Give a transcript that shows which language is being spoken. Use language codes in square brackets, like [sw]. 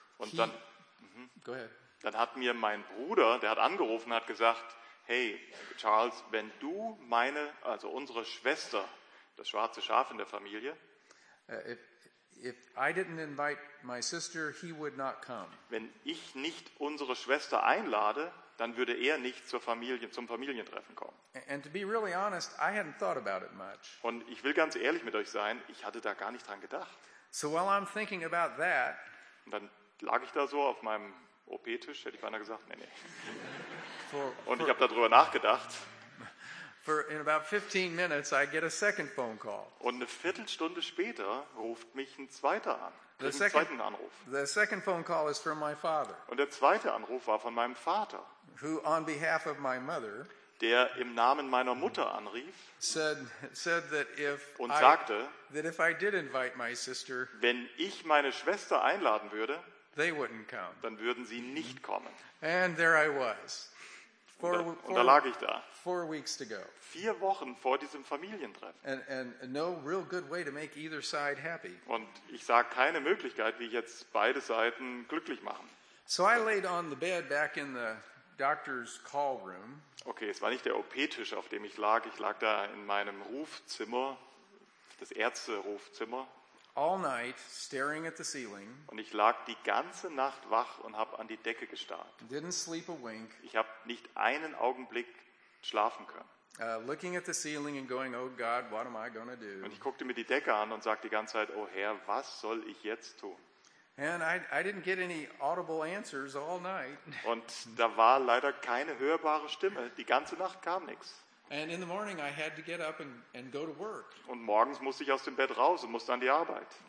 [de] und dann, [en] go ahead. [de] Dann hat mir mein Bruder, der hat angerufen, hat gesagt, hey Charles, wenn du meine, also unsere Schwester, das schwarze Schaf in der Familie, [en] if I didn't invite my sister, he would not come. [de] Wenn ich nicht unsere Schwester einlade, dann würde er nicht zum Familientreffen kommen. [en] And to be really honest, I hadn't thought about it much. [de] Und ich will ganz ehrlich mit euch sein, ich hatte da gar nicht dran gedacht. [en] So while I'm thinking about that, [de] und dann lag ich da so auf meinem OP-Tisch, hätte ich beinahe gesagt, nee, nee. Und ich habe darüber nachgedacht. [en] For in about 15 minutes I get a second phone call. [de] Und eine Viertelstunde später ruft mich ein zweiter an. Einen zweiten Anruf. [en] The second phone call is from my father. [de] Und der zweite Anruf war von meinem Vater. [en] Who on behalf of my mother, [de] der im Namen meiner Mutter anrief. [en] Said that if [de] und sagte, [en] that if I did invite my sister, [de] wenn ich meine Schwester einladen würde, [en] they wouldn't come. [de] Dann würden sie nicht kommen. [en] And there I was. [de] Und da lag ich da. [en] 4 weeks to go. [de] 4 Wochen vor diesem Familientreffen. [en] And no real good way to make either side happy. [de] Und ich sah keine Möglichkeit, wie ich jetzt beide Seiten glücklich machen. [en] So I laid on the bed back in the doctor's call room. [de] Okay, es war nicht der OP-Tisch, auf dem ich lag. Ich lag da in meinem Rufzimmer, das Ärzte-Rufzimmer. [en] All night staring at the ceiling. [de] Und ich lag die ganze Nacht wach und habe an die Decke gestarrt. [en] Didn't sleep a wink. [de] Ich habe nicht einen Augenblick schlafen können. [en] Looking at the ceiling and going, oh God, what am I going to do? [de] Und ich guckte mir die Decke an und sagte die ganze Zeit, oh Herr, was soll ich jetzt tun? [en] And I didn't get any audible answers all night. [de] Und da war leider keine hörbare Stimme. Die ganze Nacht kam nichts. [en] And in the morning I had to get up and go to work. [de] Und morgens musste ich aus dem Bett raus und musste an die Arbeit.